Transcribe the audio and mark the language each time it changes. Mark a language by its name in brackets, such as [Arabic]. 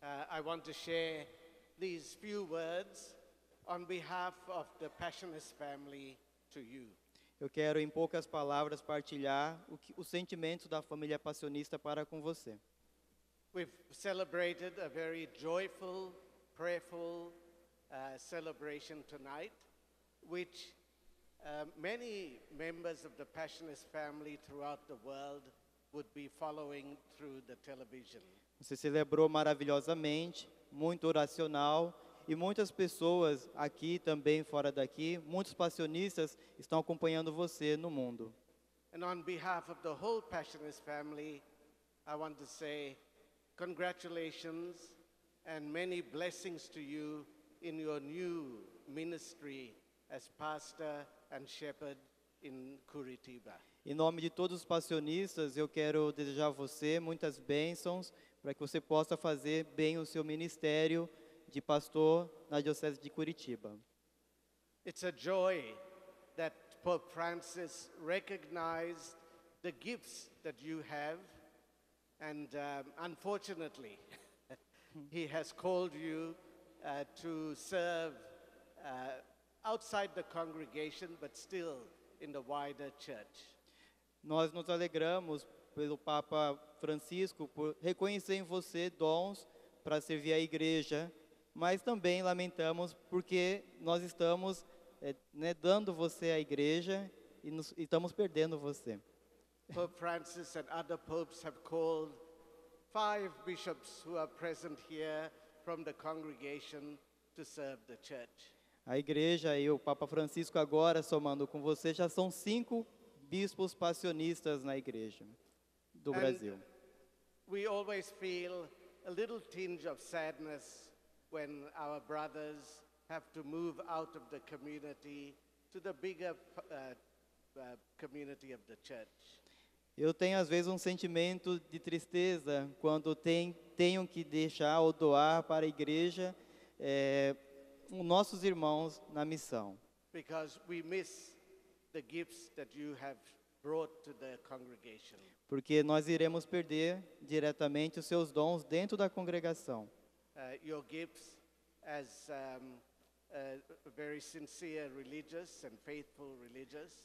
[English] I want to share these few words on behalf of the Passionist family to you. [Portuguese] Eu quero em poucas palavras partilhar os sentimentos da família passionista para com você. [English] We've celebrated a very joyful, prayerful celebration tonight, which many members of the Passionist family throughout the world would be following through the television. [Portuguese] Você celebrou maravilhosamente, muito oracional, e muitas pessoas aqui também fora daqui, muitos passionistas estão acompanhando você no mundo. [English] And on behalf of the whole Passionist family, I want to say congratulations and many blessings to you in your new ministry as pastor and shepherd in Curitiba. [Portuguese] Em nome de todos os passionistas, eu quero desejar a você muitas bênçãos para que você possa fazer bem o seu ministério de pastor na diocese de Curitiba. [English] It's a joy that Pope Francis recognized the gifts that you have, and unfortunately, he has called you to serve outside the congregation, but still in the wider church. [Portuguese] Nós nos alegramos pelo Papa Francisco por reconhecer em você dons para servir a igreja, mas também lamentamos porque nós estamos dando você à igreja e estamos perdendo você. [English] Pope Francis and other popes have called 5 bishops who are present here from the congregation to serve the church. [Portuguese] A Igreja e o Papa Francisco, agora somando com você, já são 5 bispos passionistas na Igreja do Brasil. [English] We always feel a little tinge of sadness when our brothers have to move out of the community to the bigger community of the church. [Portuguese] Eu tenho às vezes um sentimento de tristeza quando tenho que deixar ou doar para a Igreja nossos irmãos na missão. [English] Because we miss the gifts that you have brought to the congregation. [Portuguese] Porque nós iremos perder diretamente os seus dons dentro da congregação. [English] Your gifts as very sincere religious and faithful religious.